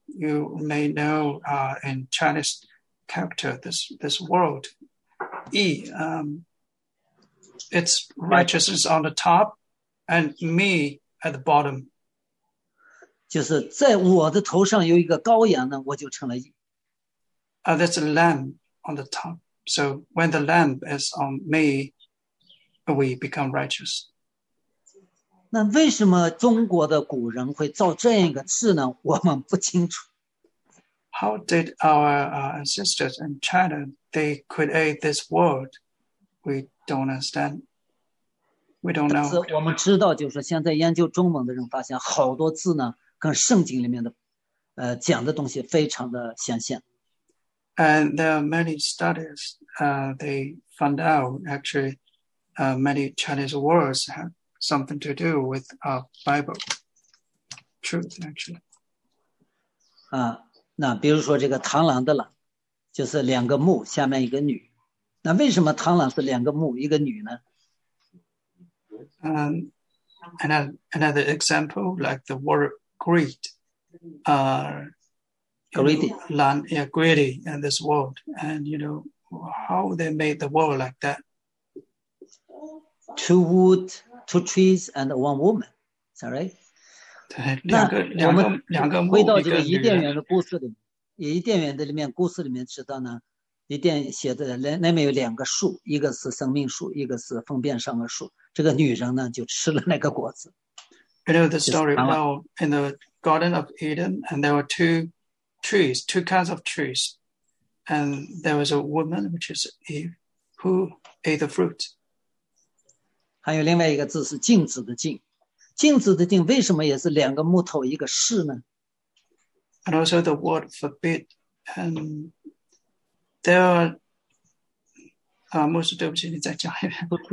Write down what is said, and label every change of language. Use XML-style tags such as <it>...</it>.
<en>You may know in Chinese character this word, 义 it's righteousness on the top. And me at the bottom.</en> <zh>就是在我的头上有一个羔羊呢，我就成了义。</zh> <en>There's a lamb on the top. So when the lamb is on me, we become righteous.</en> <zh>那为什么中国的古人会造这样一个字呢？我们不清楚。</zh> <en>How did our ancestors in China, they create this word? We don't understand. We don't know.</en> <zh>但是我们知道，就是现在研究中文的人发现，好多字呢跟圣经里面的，讲的东西非常的相像。</zh> <en>And there are many studies. They found out actually, many Chinese words have something to do with our Bible truth actually.</en> <zh>啊，那比如说这个螳螂的螂，就是两个木下面一个女。那为什么螳螂是两个木一个女呢？</zh> <en>Another example, like the word greed, greedy, greedy in this world, and you know how they made the world like that. Two wood, two trees, and one woman. Sorry.</en> <zh>对，两个回到这个伊甸园的故事里面，伊甸园的里面故事里面知道呢，伊甸写的那边有两个树，一个是生命树，一个是分辨善恶树。这个女人呢，就吃了那个果子。</zh> <en>You know the story well in the Garden of Eden, and there were two trees, two kinds of trees, and there was a woman, which is Eve, who ate the fruit.</en> <zh>还有另外一个字是镜子的镜，镜子的镜为什么也是两个木头一个室呢</zh> <en>？And also the word forbid, and there are</en> <zh>牧师，对不起，你再讲一遍。</zh>